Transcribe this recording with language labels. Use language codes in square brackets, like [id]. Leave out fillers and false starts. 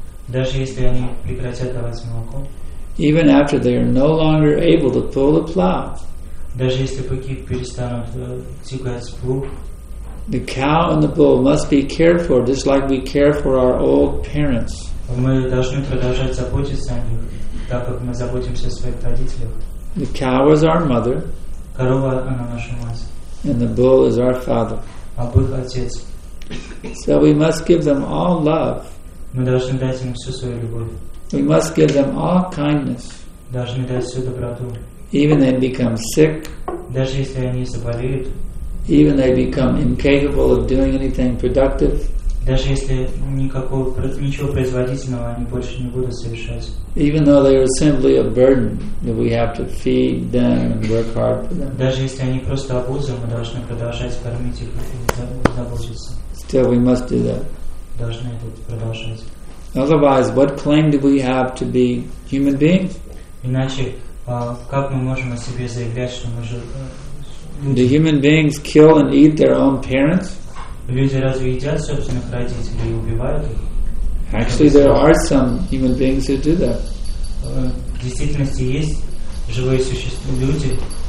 [ru] Даже если они прекратят давать молоко. [en] Even after they are no longer able to pull the plow. [ru] Даже если быки перестанут тягать плуг. [en] The cow and the bull must be cared for just like we care for our old parents. [ru] Мы должны продолжать заботиться о них, так как мы заботимся о своих родителях. [en] The cow is our mother. [ru] Корова, она наша мать. [en] And the bull is our father. [ru] А бык отец. [en] So we must give them all love. [ru] Мы должны дать им всю свою любовь. [en] We must give them all kindness. [ru] Должны дать всю доброту. [en] Even they become sick. [ru] Даже если они заболеют. [en] Even they become incapable of doing anything productive. [ru] Даже если ничего производительного они больше не будут совершать. [en] Even though they are simply a burden that we have to feed them and work hard for them. [ru] Даже если они просто обуза, мы должны продолжать кормить их и заботиться. [en] Still we must do that. [ru] Должны это продолжать. [en] Otherwise, what claim do we have to be human beings? [ru] Иначе, как мы можем о себе заявлять, что мы же... [en] Do human beings kill and eat their own parents? [ru] Люди разве едят собственных родителей и убивают их? [en] Actually, there are some human beings who do that. [ru] В действительности есть живые существа, люди.